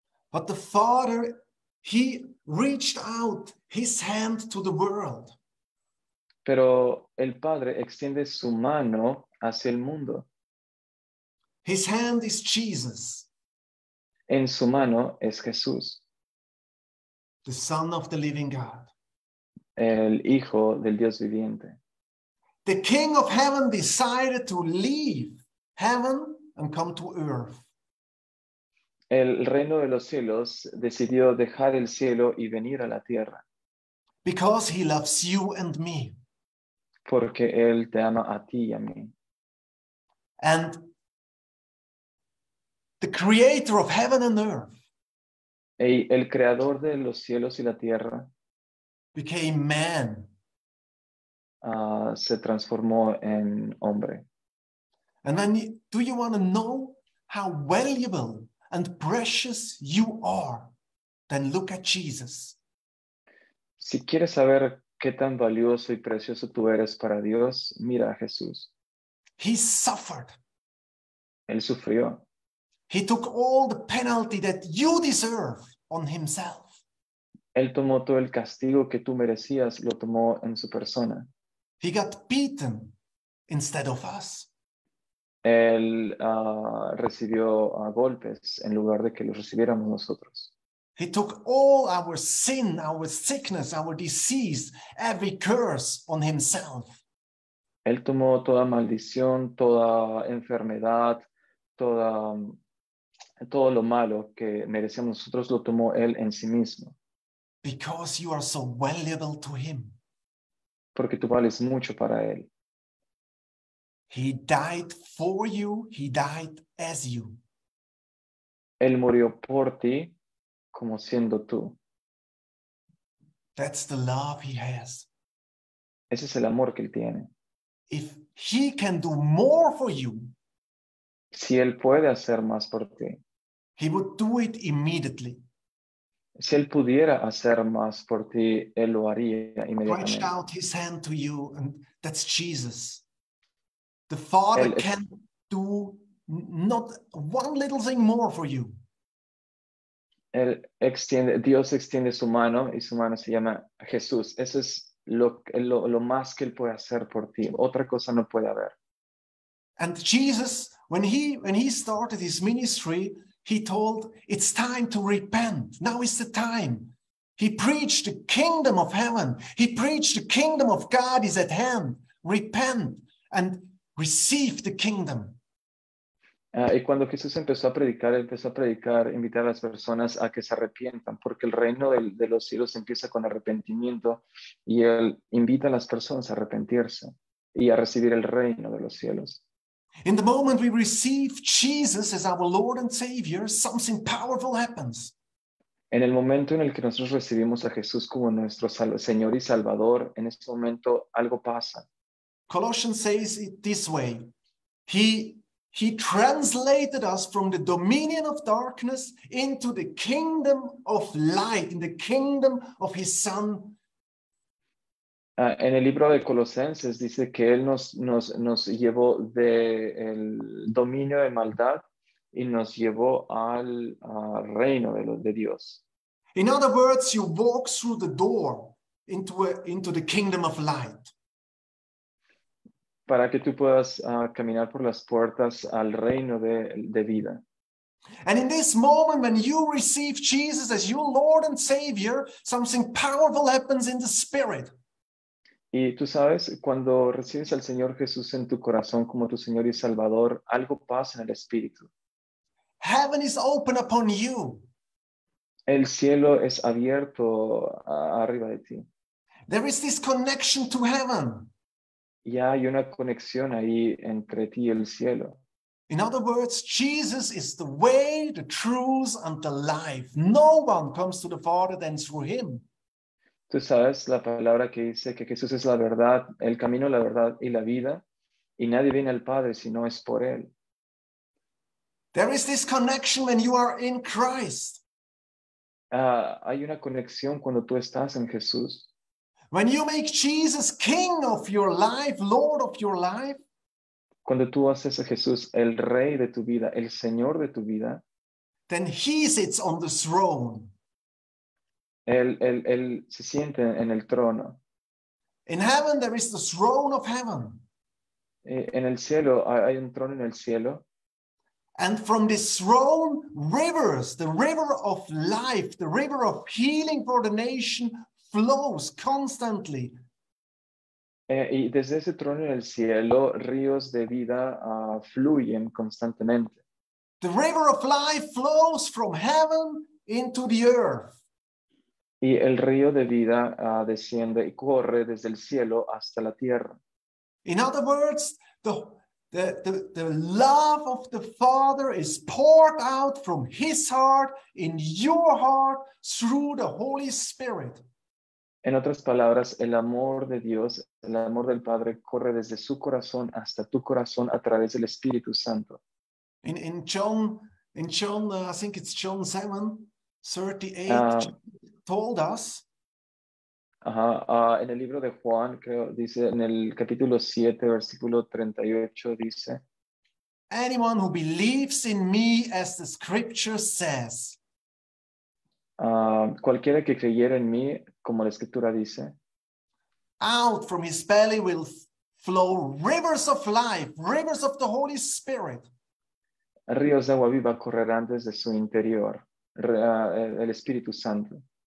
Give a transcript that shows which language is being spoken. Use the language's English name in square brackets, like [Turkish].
[English] But the Father, he reached out his hand to the world. [Spanish] Pero el Padre extiende su mano hacia el mundo. [English] His hand is Jesus. [Spanish] En su mano es Jesús. [English] The Son of the Living God. [Spanish] El Hijo del Dios viviente. [English] The King of Heaven decided to leave heaven and come to earth. [Spanish] El reino de los cielos decidió dejar el cielo y venir a la tierra. [English] Because he loves you and me. [Spanish] Porque él te ama a ti y a mí. [English] And the creator of heaven and earth. [Spanish] El creador de los cielos y la tierra. [English] Became man. [Spanish] Se transformó en hombre. [English] And then, do you want to know how valuable and precious you are, then look at Jesus. [Spanish] Si quieres saber qué tan valioso y precioso tú eres para Dios, mira a Jesús. [English] He suffered. [Spanish] Él sufrió. [English] He took all the penalty that you deserve on himself. [Spanish] Él tomó todo el castigo que tú merecías, lo tomó en su persona. [English] He got beaten instead of us. [Spanish] Él recibió golpes en lugar de que los recibiéramos nosotros. [English] He took all our sin, our sickness, our disease, every curse on himself. [Spanish] Él tomó toda maldición, toda enfermedad, todo lo malo que merecíamos nosotros, lo tomó él en sí mismo. [English] Because you are so valuable to him. [Spanish] Porque tú vales mucho para él. [English] He died for you, he died as you. [Spanish] Él murió por ti, como siendo tú. [English] That's the love he has. [Spanish] Ese es el amor que él tiene. [English] If he can do more for you, [Spanish] si él puede hacer más por ti, [English] he would do it immediately. [Spanish] Si él pudiera hacer más por ti, él lo haría inmediatamente. [English] Reached out his hand to you, and that's Jesus. The Father [Spanish] él [English] can do not one little thing more for you. [Spanish] Él extiende, Dios extiende su mano y su mano se llama Jesús. Eso es lo más que él puede hacer por ti. Otra cosa no puede haber. [English] And Jesus, when he started his ministry, he told, it's time to repent. Now is the time. He preached the kingdom of heaven. He preached the kingdom of God is at hand. Repent and receive the kingdom. [Spanish] Y cuando Jesús empezó a predicar, él empezó a predicar, invitar a las personas a que se arrepientan, porque el reino de los cielos empieza con arrepentimiento y él invita a las personas a arrepentirse y a recibir el reino de los cielos. [English] In the moment we receive Jesus as our Lord and Savior, something powerful happens. [Spanish] En el momento en el que nosotros recibimos a Jesús como nuestro Señor y Salvador, en ese momento algo pasa. [English] Colossians says it this way. He translated us from the dominion of darkness into the kingdom of light, in the kingdom of his Son. [Spanish] En el libro de Colosenses dice que él nos llevó del dominio de maldad y nos llevó al reino de Dios. [English] In other words, you walk through the door into the kingdom of light. [Spanish] Para que tú puedas caminar por las puertas al reino de vida. [English] And in this moment, when you receive Jesus as your Lord and Savior, something powerful happens in the spirit. [Spanish] Y tú sabes, cuando recibes al Señor Jesús en tu corazón como tu Señor y Salvador, algo pasa en el Espíritu. [English] Heaven is open upon you. [Spanish] El cielo es abierto arriba de ti. [English] There is this connection to heaven. [Spanish] Ya hay una conexión ahí entre ti y el cielo. [English] In other words, Jesus is the way, the truth, and the life. No one comes to the Father than through him. [Spanish] Tú sabes la palabra que dice que Jesús es la verdad, el camino, la verdad y la vida, y nadie viene al Padre si no es por él. [English] There is this connection when you are in Christ. [Spanish] Hay una conexión cuando tú estás en Jesús. [English] When you make Jesus King of your life, Lord of your life. [Spanish] Cuando tú haces a Jesús el Rey de tu vida, el Señor de tu vida. [English] Then he sits on the throne. [Spanish] Él se siente en el trono. [English] In heaven there is the throne of heaven. [Spanish] En el cielo hay un trono en el cielo. [English] And from this throne, rivers, the river of life, the river of healing for the nation, flows constantly. [Spanish] Y desde ese trono en el cielo, ríos de vida fluyen constantemente. [English] The river of life flows from heaven into the earth. [Spanish] Y el río de vida desciende y corre desde el cielo hasta la tierra. [English] In other words, the love of the Father is poured out from his heart in your heart through the Holy Spirit. [Spanish] En otras palabras, el amor de Dios, el amor del Padre, corre desde su corazón hasta tu corazón a través del Espíritu Santo. [English] In John, I think it's John 7, 38, told us. [Spanish] En el libro de Juan, creo, dice, en el capítulo 7, versículo 38, dice. [English] Anyone who believes in me, as the scripture says. [Spanish] Cualquiera que creyera en mí, como la escritura dice, [English] out from his belly will flow rivers of life, rivers of the Holy Spirit. [Spanish] Ríos de agua viva correrán desde su interior, el Espíritu Santo.